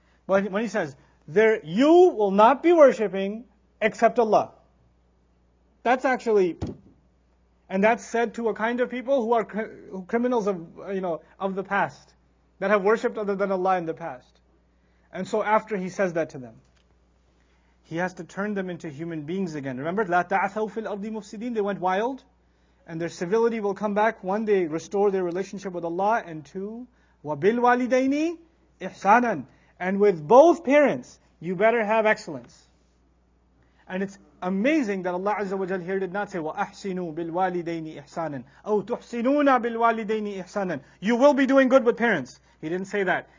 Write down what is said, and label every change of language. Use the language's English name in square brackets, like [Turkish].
[English] But when He says, there you will not be worshipping except Allah. That's actually, and that's said to a kind of people who are criminals of, you know, of the past, that have worshipped other than Allah in the past. And so after He says that to them, He has to turn them into human beings again. Remember, [Arabic] لَا تَعْثَوْ فِي الْأَرْضِ مُفْسِدِينَ [English] They went wild. And their civility will come back. One, they restore their relationship with Allah. And two, [Arabic] وَبِالْوَالِدَيْنِ إِحْسَانًا [English] And with both parents, you better have excellence. And it's amazing that Allah Azza wa Jal here did not say, [Arabic] وَأَحْسِنُوا بِالْوَالِدَيْنِ إِحْسَانًا أَوْ تُحْسِنُونَ بِالْوَالِدَيْنِ إِحْسَانًا [English] You will be doing good with parents. He didn't say that.